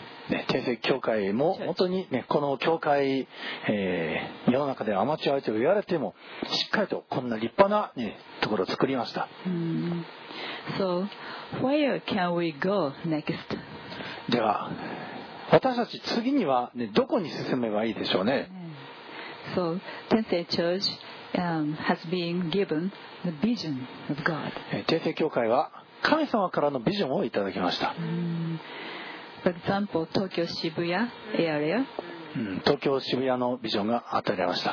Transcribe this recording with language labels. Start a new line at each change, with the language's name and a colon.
Japanese: ね、天聖教会も本当に、ね、この教会、世の中でアマチュアと言われてもしっかりとこんな立派な、ね、ところを作りました。
English: So where can we go next?
Japanese: では私たち次には、ね、どこに進めばいいでしょうね。
English: So, Tensei Church has been given the vision of God.
Japanese: 訂正教会は神様からのビジョンをいただきました。
English: For example, 東京渋谷 area.
Japanese: 東京渋谷のビジョンが与えられました。